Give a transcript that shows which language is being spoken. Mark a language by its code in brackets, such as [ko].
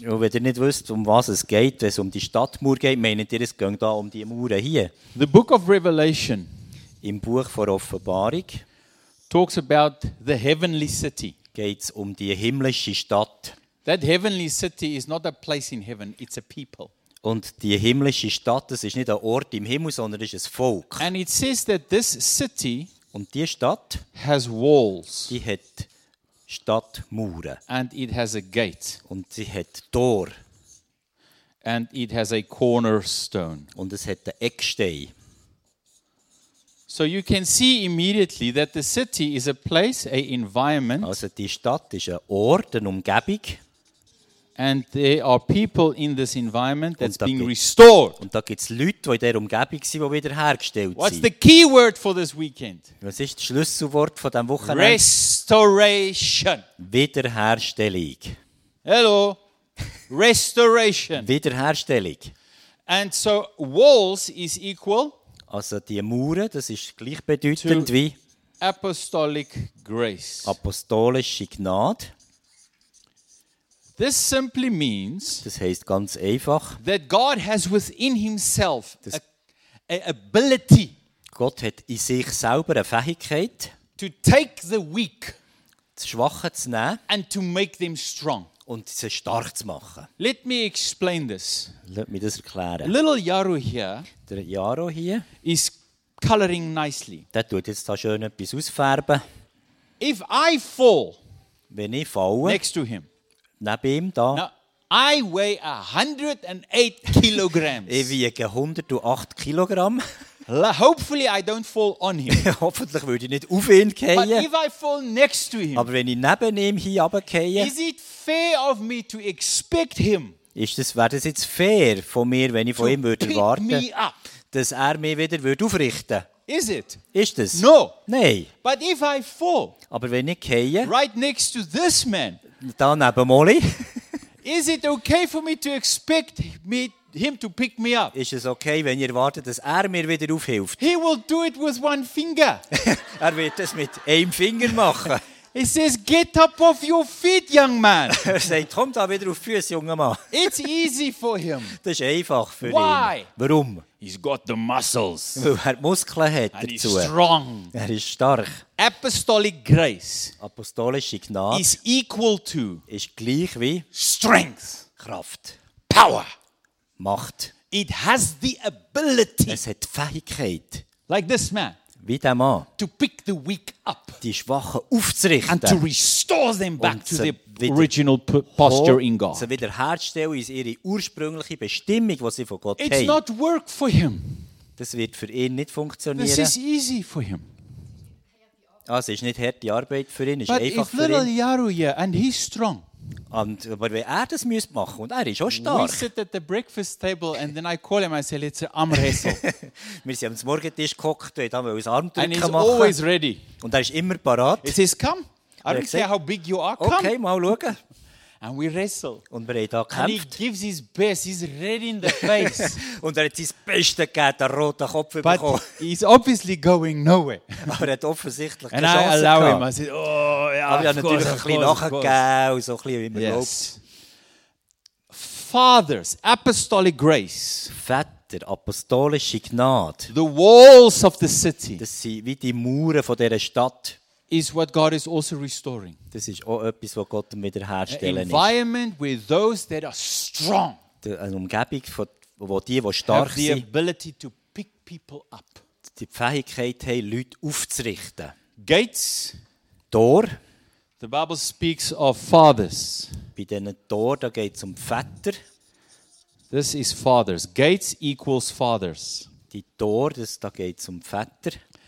[de] Und wenn ihr nicht wisst, um was es geht, wenn es um die Stadtmauer geht, meint ihr, es geht da um die Mauer hier. [en] The Book of Revelation, [de] im Buch von Offenbarung, [en] talks about the heavenly city. [de] Geht's um die himmlische Stadt. [en] That heavenly city is not a place in heaven; it's a people. [de] Und die himmlische Stadt, das ist nicht ein Ort im Himmel, sondern es ist ein Volk. [en] And it says that this city. [de] Und die Stadt [en] has walls. [de] Die hat Stadtmauern. [en] And it has a gate. [de] Und sie hat Tor. [en] And it has a cornerstone. [de] Und es hat einen Eckstein. [en] So you can see immediately that the city is a place, a environment. [de] Also die Stadt ist ein Ort, eine Umgebung. [en] And there are people in this environment that's being restored. [de] Und da gibt's Leute, die in dieser Umgebung sind, die wieder hergestellt sind. [en] What's the key word for this weekend? [de] Was ist das Schlüsselwort von diesem Wochenende? [en] Restoration. [de] Wiederherstellung. [en] Hello. Restoration. [de] Wiederherstellung. [en] And so walls is equal. [de] Also die Mauern, das ist gleichbedeutend wie [en] apostolic grace. [de] Apostolische Gnade. [en] This simply means, [de] das heisst ganz einfach, [en] that God has within himself an ability. [de] Gott hat in sich selber eine Fähigkeit, [en] to take the weak, [de] das Schwache zu nehmen, [en] and to make them strong, [de] und sie stark zu machen. [en] Let me explain this. [de] Lass mich das erklären. [en] Little Yaro here, [de] der Yaro hier, [en] is coloring nicely. [de] Der tut jetzt da schön etwas ausfärben. [en] If I fall, [de] wenn ich falle, [en] next to him. [de] Neben ihm da. [en] Now, I weigh 108 kilograms. [de] Ich wiege 108 Kilogramm. [en] Hopefully I don't fall on him. [de] Hoffentlich würde ich nicht auf ihn fallen. [en] But if I fall next to him. [de] Aber wenn ich neben ihm hier runterfalle. [en] Is it fair of me to expect him? [de] Wäre das jetzt fair von mir, wenn ich von ihm würde erwarten, dass er mich wieder würde aufrichten? [en] Is it? [de] Ist es? [en] No. [de] Nein. [en] But if I fall. [de] Aber wenn ich fallen. [en] Right next to this man. [de] Da neben Molly. [en] Is it okay for me to expect him to pick me up? [de] Ist es okay, wenn ihr wartet, dass er mir wieder aufhilft? [en] He will do it with one finger. [de] Er wird es mit einem Finger machen. [en] He says, get up off your feet, young man. [de] Er sagt, komm da wieder auf die Füße, junger Mann. [en] It's easy for him. [de] Das ist einfach für [en] Why? [de] Ihn. Warum? [en] He's got the muscles. [de] Weil er Muskeln hat [en] And [de] dazu. [en] He's strong. [de] Er ist stark. [en] Apostolic grace. [de] Apostolische Gnade. [en] Is equal to. [de] Ist gleich wie. [en] Strength. [de] Kraft. [en] Power. [de] Macht. [en] It has the ability. [de] Es hat Fähigkeit. [en] Like this man. [de] Wie der Mann, [en] to pick the weak up, [de] die Schwachen aufzurichten [en] and to restore them back to their original posture in God. [de] Sie wiederherzustellen in ihre ursprüngliche Bestimmung, die sie von Gott [en] It's [de] haben. [en] Not work for him. [de] Das wird für ihn nicht funktionieren. [en] This is easy for him. [de] Es ist nicht harte Arbeit für ihn, es ist [en] But [de] einfach [en] if little [de] für ihn. [en] Yaru, yeah, and he's strong. [de] Und, aber wenn er das müsste machen, und er ist auch stark. [en] We sit at the breakfast table and then I call him and say, let's arm wrestle. [de] Wir sind am Morgentisch gehockt, weil wir uns Arm drücken [en] And he's [de] machen. [en] Always ready. [de] Und er ist immer parat. [en] He says, come. I don't care how big you are, come. [de] Okay, mal schauen. [en] And we wrestle. [de] Und wir haben da gekämpft. [en] And he gives his best. He's red in the face. [de] Und er hat sein Bestes gegeben, den roten Kopf [en] But [de] bekommen. [en] He's obviously going nowhere. [de] Aber er hat offensichtlich [en] And [de] keine [en] And I [de] Chance [en] allow [de] gehabt. [en] Him. I said, oh, yeah, [de] Aber [en] of course, [de] natürlich ein bisschen nachgegeben und so ein bisschen wie man [en] yes. [de] lobt. [en] Fathers, apostolic grace. [de] Väter, apostolische Gnade. The walls of the city. Das sind wie die Mauern von dieser Stadt. Is what God is also restoring. Das ist auch etwas, was Gott wiederherstellen ist. Environment with those that are strong. Eine Umgebung, wo die stark sind. Have the ability to pick people up. Die Fähigkeit haben, Leute aufzurichten. Gates. Tor. The Bible speaks of fathers. Bei diesen Tor, da geht es um Väter. This is fathers. Gates equals fathers. Die Tor, das, da geht es um Väter.